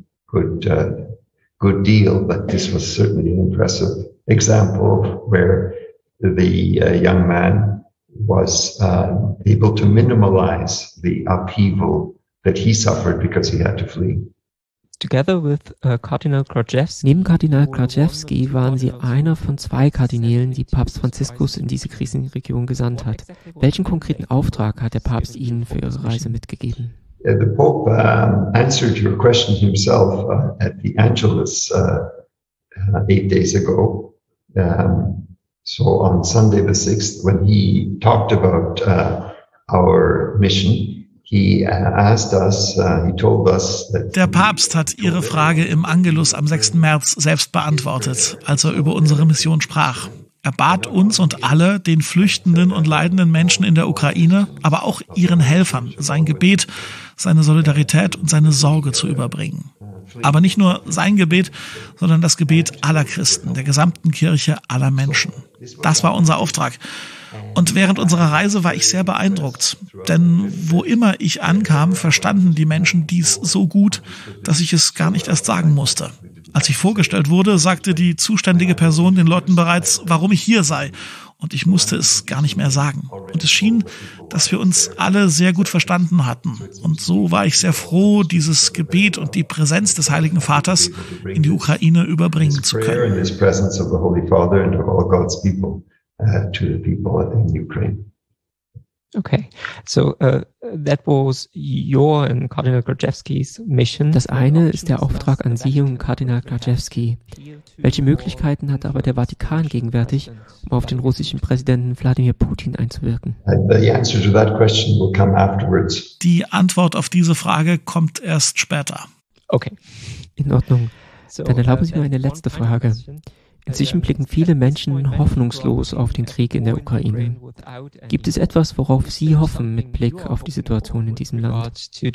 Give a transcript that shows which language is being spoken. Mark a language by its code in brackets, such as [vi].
[en] Good deal, but this was certainly an impressive example where the young man was able to minimize the upheaval that he suffered because he had to flee. Together with Cardinal Krajewski. [de] Neben Kardinal Krajewski waren Sie einer von zwei Kardinälen, die Papst Franziskus in diese Krisenregion gesandt hat. Welchen konkreten Auftrag hat der Papst Ihnen für Ihre Reise mitgegeben? [en] The Pope answered your question himself at the Angelus 8 days ago. So on Sunday the 6th, when he talked about our mission, he asked us, he told us that... [de] Der Papst hat Ihre Frage im Angelus am 6. März selbst beantwortet, als er über unsere Mission sprach. Er bat uns und alle, den flüchtenden und leidenden Menschen in der Ukraine, aber auch ihren Helfern, sein Gebet, seine Solidarität und seine Sorge zu überbringen. Aber nicht nur sein Gebet, sondern das Gebet aller Christen, der gesamten Kirche, aller Menschen. Das war unser Auftrag. Und während unserer Reise war ich sehr beeindruckt. Denn wo immer ich ankam, verstanden die Menschen dies so gut, dass ich es gar nicht erst sagen musste. Als ich vorgestellt wurde, sagte die zuständige Person den Leuten bereits, warum ich hier sei. Und ich musste es gar nicht mehr sagen. Und es schien, dass wir uns alle sehr gut verstanden hatten. Und so war ich sehr froh, dieses Gebet und die Präsenz des Heiligen Vaters in die Ukraine überbringen zu können. [en] Of all God's people, to the people in Ukraine. Okay, so that was your and Cardinal Krajewski's mission. [de] Das eine ist der Auftrag an Sie und Kardinal Krajewski. Welche Möglichkeiten hat aber der Vatikan gegenwärtig, um auf den russischen Präsidenten Wladimir Putin einzuwirken? [en] The answer to that question will come afterwards. [de] Die Antwort auf diese Frage kommt erst später. [en] Okay, [de] in Ordnung. Dann erlauben Sie mir eine letzte Frage. Inzwischen blicken viele Menschen hoffnungslos auf den Krieg in der Ukraine. Gibt es etwas, worauf Sie hoffen mit Blick auf die Situation in diesem Land?